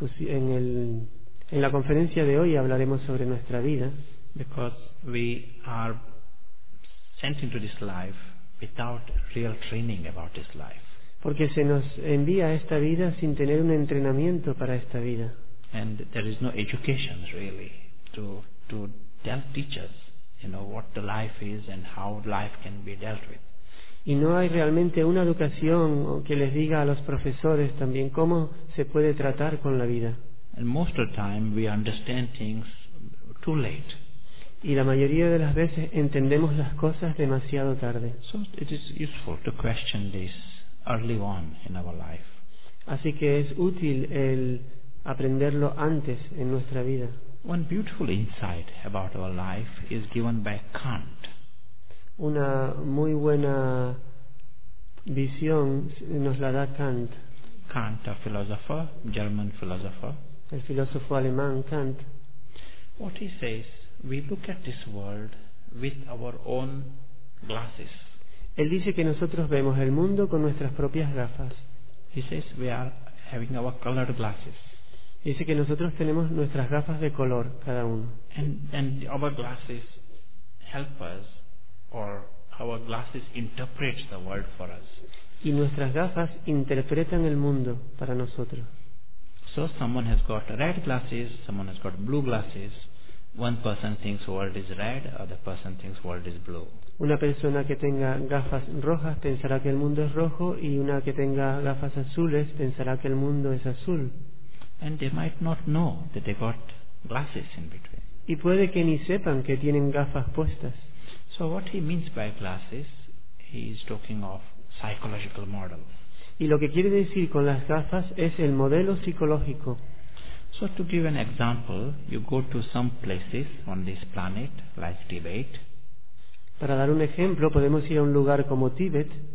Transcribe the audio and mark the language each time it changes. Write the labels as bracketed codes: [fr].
[es] En la conferencia de hoy hablaremos sobre nuestra vida. [en] Because we are sent into this life without real training about this life. [es] Porque se nos envía a esta vida sin tener un entrenamiento para esta vida. [en] And there is no education really to tell teachers, you know, what the life is and how life can be dealt with. [es] Y no hay realmente una educación que les diga a los profesores también cómo se puede tratar con la vida. [en] And most of the time we understand things too late. [es] Y la mayoría de las veces entendemos las cosas demasiado tarde. [en] So it is useful to question this early on in our life. [es] Así que es útil el aprenderlo antes en nuestra vida. [en] One beautiful insight about our life is given by Kant. [es] Una muy buena visión nos la da Kant. [en] Kant, a philosopher, German philosopher. [es] El filósofo alemán Kant. [en] What he says, we look at this world with our own glasses. [es] Él dice que nosotros vemos el mundo con nuestras propias gafas. [en] He says we are having our colored glasses. [es] Dice que nosotros tenemos nuestras gafas de color cada uno. [en] And our glasses help us, or our glasses interpret the world for us. [es] Y nuestras gafas interpretan el mundo para nosotros. [en] So someone has got red glasses, someone has got blue glasses. One person thinks world is red, other person thinks world is blue. [es] Una persona que tenga gafas rojas pensará que el mundo es rojo, y una que tenga gafas azules pensará que el mundo es azul. [en] And they might not know that they got glasses in between. [es] Y puede que ni sepan que tienen gafas puestas. [en] So what he means by glasses, he is talking of psychological model. [es] Y lo que quiere decir con las gafas es el modelo psicológico. [en] So to give an example, you go to some places on this planet, like Tibet. [es] Para dar un ejemplo, podemos ir a un lugar como Tíbet.